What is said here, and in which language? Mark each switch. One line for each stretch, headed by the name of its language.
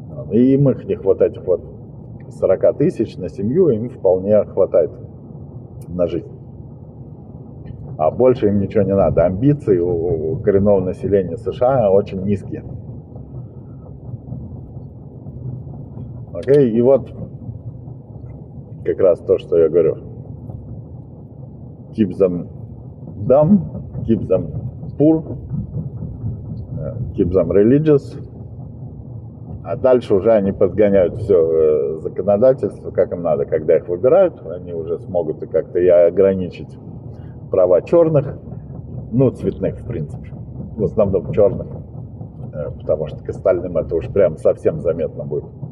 Russian: И им их вот этих вот 40 тысяч на семью им вполне хватает на жизнь. А больше им ничего не надо. Амбиции у коренного населения США очень низкие. Окей, и вот как раз то, что я говорю.
English: Keep them dumb, keep them poor, keep them religious.
Russian: А дальше уже они подгоняют все законодательство, как им надо, когда их выбирают, они уже смогут и как-то и ограничить права черных, ну, цветных, в принципе, в основном черных, потому что к остальным это уж прям совсем заметно будет.